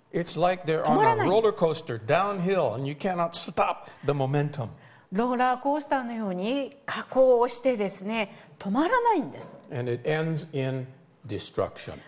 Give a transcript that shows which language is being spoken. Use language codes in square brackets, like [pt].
[en] It's like they're on a roller coaster downhill, and you cannot stop the momentum. [ja] ローラーコースターのように下降をしてですね、止まらないんです。 [en] And it ends in destruction.